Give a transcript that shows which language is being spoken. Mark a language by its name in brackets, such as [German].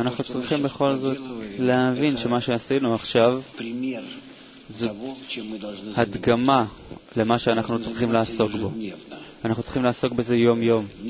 [Hebrew] אנחנו צריכים בכל זאת להבין שמה שעשינו עכשיו [Russian] пример того, чем мы должны заниматься. [Hebrew] הדגמה למה שאנחנו צריכים לעסוק בו. אנחנו צריכים לעסוק בזה יום-יום.